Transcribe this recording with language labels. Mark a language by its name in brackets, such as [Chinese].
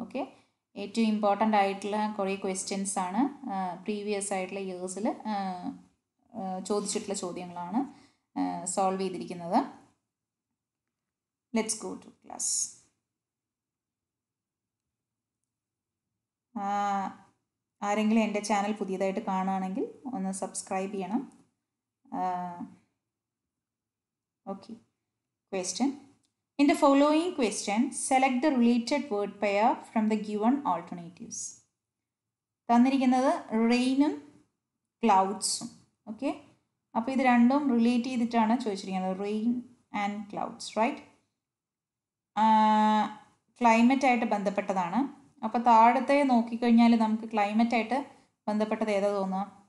[Malayalam] Okay, ഏറ്റവും important ആയിട്ടുള്ള കുറേ ക്വസ്റ്റ്യൻസ് ആണ്, പ്രീവിയസ് ആയിട്ടുള്ള ഇയേഴ്സിൽ ചോദിച്ചിട്ടുള്ള ചോദ്യങ്ങളാണ് സോൾവ് ചെയ്തിരിക്കുന്നത്. [English] Let's go to class. [Malayalam] ആരെങ്കിലും എൻ്റെ ചാനൽ പുതിയതായിട്ട് കാണുകയാണെങ്കിൽ ഒന്ന് സബ്സ്ക്രൈബ് ചെയ്യണം. Okay, question. [English] In the following question, select the related word pair from the given alternatives. [Malayalam] തന്നിരിക്കുന്നത് റെയിനും ക്ലൗഡ്സും. ഓക്കെ, അപ്പോൾ ഇത് രണ്ടും റിലേറ്റ് ചെയ്തിട്ടാണ് ചോദിച്ചിരിക്കുന്നത്. [English] Rain and clouds, right? [Malayalam] ക്ലൈമറ്റായിട്ട് ബന്ധപ്പെട്ടതാണ്. അപ്പോൾ താഴത്തെ നോക്കിക്കഴിഞ്ഞാൽ നമുക്ക് ക്ലൈമറ്റായിട്ട് ബന്ധപ്പെട്ടത് ഏതാ തോന്നുക?